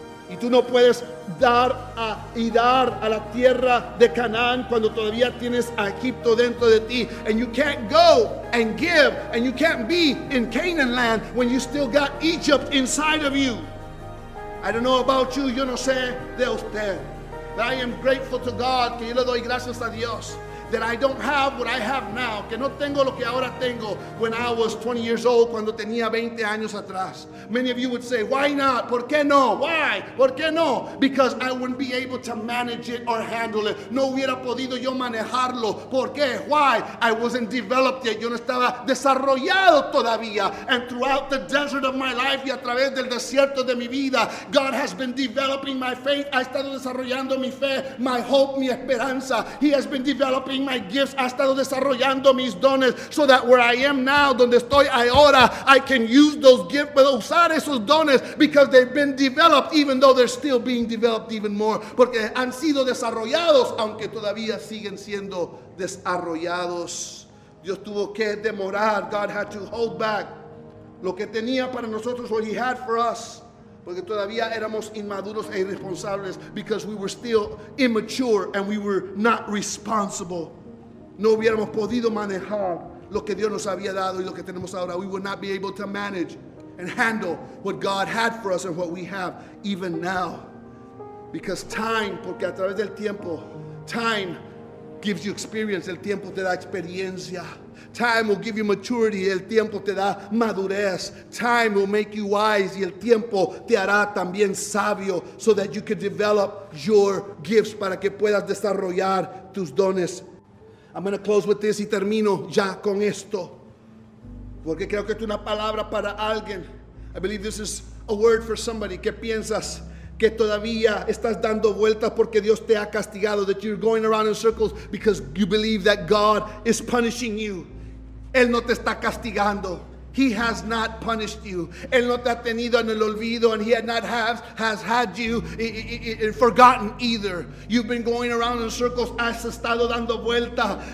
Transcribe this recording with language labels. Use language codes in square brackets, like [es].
[es] Y tú no puedes dar a la tierra de Canaán cuando todavía tienes a Egipto dentro de ti. [en] And you can't go and give, and you can't be in Canaan land when you still got Egypt inside of you. I don't know about you, [es] yo no sé de usted. [en] But I am grateful to God, [es] que yo le doy gracias a Dios, [en] that I don't have what I have now, [es] que no tengo lo que ahora tengo, [en] when I was 20 years old, [es] cuando tenía 20 años atrás. [en] Many of you would say, why not? [es] ¿Por qué no? [en] Why? ¿Por qué no? Because I wouldn't be able to manage it or handle it. [es] No hubiera podido yo manejarlo. ¿Por qué? [en] Why? I wasn't developed yet. [es] Yo no estaba desarrollado todavía. [en] And throughout the desert of my life, [es] y a través del desierto de mi vida, [en] God has been developing my faith. [es] Ha estado desarrollando mi fe, [en] my hope, [es] mi esperanza. [en] He has been developing developing my gifts. [es] Ha estado desarrollando mis dones, [en] so that where I am now, [es] donde estoy ahora, [en] I can use those gifts, [es] puedo usar esos dones, [en] because they've been developed, even though they're still being developed even more. [es] Porque han sido desarrollados, aunque todavía siguen siendo desarrollados. Dios tuvo que demorar. [en] God had to hold back [es] lo que tenía para nosotros, [en] what he had for us. [es] Porque todavía éramos inmaduros e irresponsables, [en] because we were still immature and we were not responsible. [es] No hubiéramos podido manejar lo que Dios nos había dado y lo que tenemos ahora. [en] We would not be able to manage and handle what God had for us and what we have even now. Because time, [es] porque a través del tiempo, [en] time gives you experience. [es] El tiempo te da experiencia. [en] Time will give you maturity. [es] El tiempo te da madurez. [en] Time will make you wise. [es] Y el tiempo te hará también sabio, [en] so that you can develop your gifts, [es] para que puedas desarrollar tus dones. [en] I'm going to close with this [es] y termino ya con esto, porque creo que es una palabra para alguien. [en] I believe this is a word for somebody. [es] ¿Qué piensas? Que todavía estás dando vueltas porque Dios te ha castigado. [en] That you're going around in circles because you believe that God is punishing you. [es] Él no te está castigando. [en] He has not punished you. [es] Él no te ha tenido en el olvido, [en] and he had not has had you forgotten either. You've been going around in circles. [es] Has estado dando vuelta.